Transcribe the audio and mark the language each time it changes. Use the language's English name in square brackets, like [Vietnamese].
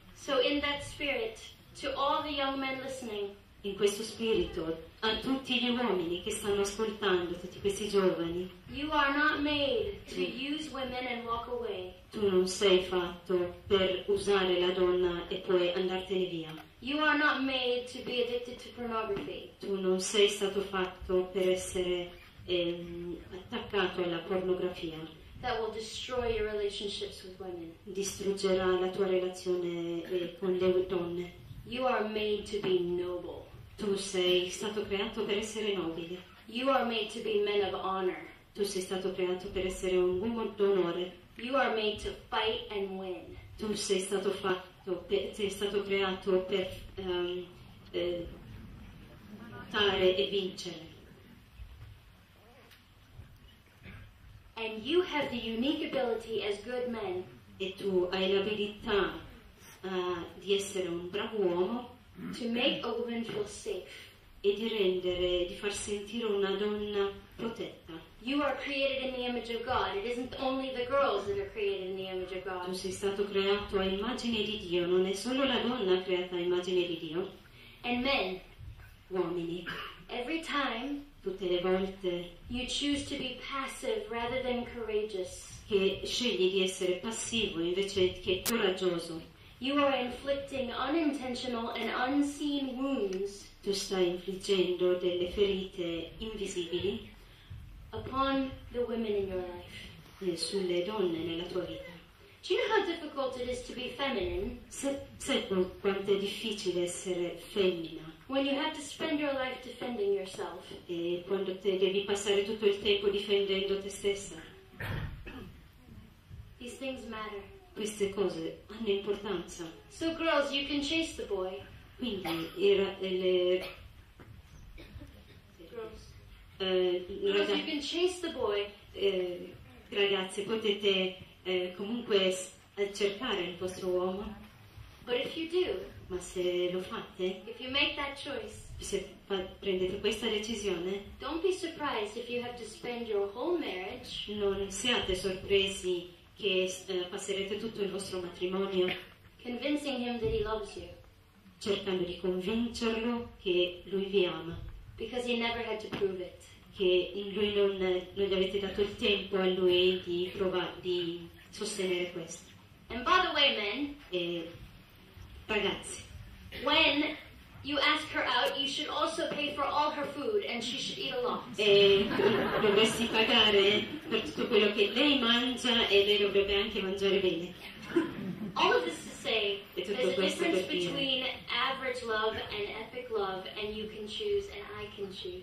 [English] So in that spirit, to all the young men listening. [Italian] In questo spirito, a tutti gli uomini che stanno ascoltando, tutti questi giovani. [English] You are not made to use women and walk away. [Italian] Tu non sei fatto per usare la donna e poi andartene via. [English] You are not made to be addicted to pornography. [Italian] Tu non sei stato fatto per essere attaccato alla pornografia. [English] That will destroy your relationships with women. [Italian] Distruggerà la tua relazione con le donne. [English] You are made to be noble. [Italian] Tu sei stato creato per essere nobile. [English] You are made to be men of honor. [Italian] Tu sei stato creato per essere un uomo d'onore. [English] You are made to fight and win. [Italian] Tu sei stato creato per lottare e vincere. [English] And you have the unique ability as good men. [Italian] E tu hai l'abilità di essere un bravo uomo. [English] To make a woman feel safe. [Italian] E di far sentire una donna protetta. [English] You are created in the image of God. It isn't only the girls that are created in the image of God. [Italian] Tu sei stato creato a immagine di Dio. Non è solo la donna creata a immagine di Dio. [English] And men. [Italian] Uomini. [English] Every time. [Italian] Tutte le volte. [English] You choose to be passive rather than courageous. [Italian] Che scegli di essere passivo invece che coraggioso. [English] You are inflicting unintentional and unseen wounds. [Italian] Tu stai infliggendo delle ferite invisibili [English] upon the women in your life. [Italian] Sulle donne nella tua vita. [English] Do you know how difficult it is to be feminine? [Italian] Sai quanto è difficile essere femmina. [English] When you have to spend your life defending yourself. [Italian] E quando devi passare tutto il tempo difendendo te stessa. [English] These things matter. [Italian] Queste cose hanno importanza. [English] So girls, you can chase the boy. [Italian] Quindi era le [English] girls, you can chase the boy. [Italian] Ragazze, potete comunque cercare il vostro uomo. [English] But if you do, [Italian] ma se lo fate, [English] if you make that choice, [Italian] se prendete questa decisione, [English] don't be surprised if you have to spend your whole marriage. [Italian] Non siate sorpresi che passerete tutto il vostro matrimonio [English] convincing him that he loves you. [Italian] Cercando di convincerlo che lui vi ama. [English] Because he never had to prove it. [Italian] Che lui non gli avete dato il tempo a lui di provare, di sostenere questo. [English] And by the way, men, [Italian] ragazzi, [English] when you ask her out, you should also pay for all her food and she should eat a lot. [Italian] E dovresti pagare per tutto quello che lei mangia e lei dovrebbe anche mangiare bene. [English] All of this to say, there's a difference between average love and epic love, and you can choose and I can choose.